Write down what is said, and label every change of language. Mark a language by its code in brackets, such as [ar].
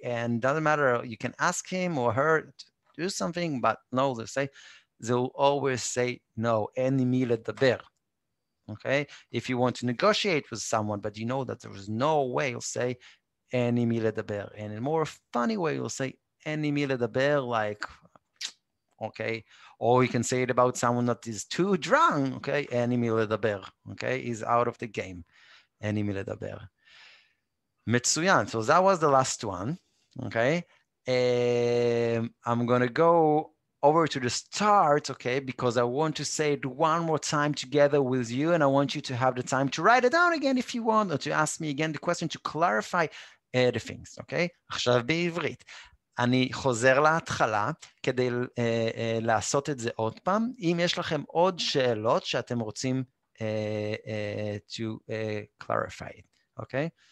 [en] And doesn't matter, you can ask him or her to do something, but no, they'll always say no, [he] אין עם מי לדבר, [en] okay? If you want to negotiate with someone, but you know that there is no way, you'll say [he] אין עם מי לדבר. [en] And in a more funny way, you'll say [he] אין עם מי לדבר, [en] like, okay? Or you can say it about someone that is too drunk, okay? [he] אין עם מי לדבר, [en] okay? He's out of the game. [he] אין עם מי לדבר. [en] Mitsuyan. So that was the last one. Okay. I'm going to go over to the start, okay, because I want to say it one more time together with you, and I want you to have the time to write it down again if you want, or to ask me again the question to clarify the things, okay? [he] עכשיו בעברית, אני חוזר להתחלה כדי לעשות את זה עוד פעם. אם יש לכם עוד שאלות שאתם רוצים [en] to clarify it, okay?